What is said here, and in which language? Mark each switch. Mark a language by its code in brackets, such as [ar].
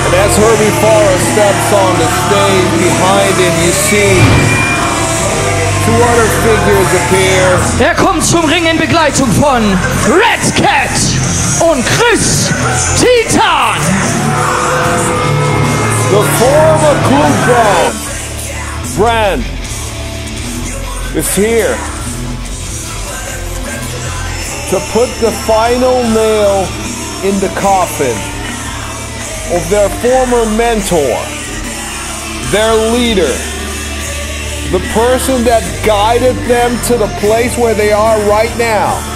[en] Herbi Vara steps on the stage behind him. You see two other figures appear. [de] Er kommt zum Ring in Begleitung von Red Cat und Chris Titan. [en] The former Kluth brand is here to put the final nail in the coffin of their former mentor, their leader, the person that guided them to the place where they are right now,